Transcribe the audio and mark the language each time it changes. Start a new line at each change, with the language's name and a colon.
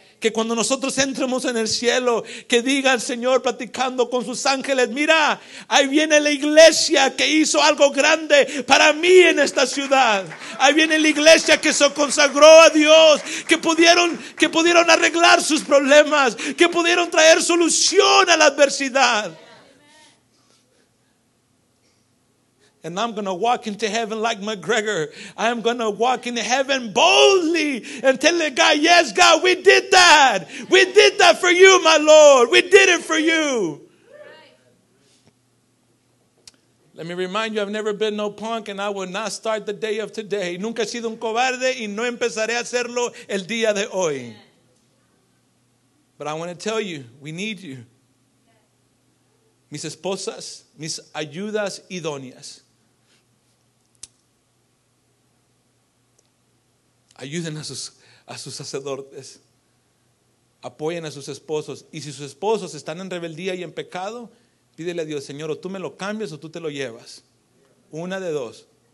Spanish: Que cuando nosotros entremos en el cielo, que diga el Señor platicando con sus ángeles: mira, ahí viene la iglesia que hizo algo grande para mí en esta ciudad. Ahí viene la iglesia que se consagró a Dios, que pudieron arreglar sus problemas, que pudieron traer solución a la adversidad.
English: And I'm going to walk into heaven like McGregor. I'm going to walk into heaven boldly and tell the guy, yes, God, we did that. We did that for you, my Lord. We did it for you. Right. Let me remind you, I've never been no punk and I will not start the day of today.
Spanish: Nunca he sido un cobarde y no empezaré a hacerlo el día de hoy.
English: But I want to tell you, we need you.
Spanish: Mis esposas, mis ayudas idóneas. Ayuden a sus sacerdotes. Apoyen a sus esposos. Y si sus esposos están en rebeldía y en pecado, pídele a Dios: Señor, o tú me lo cambias o tú te lo llevas. Una de dos.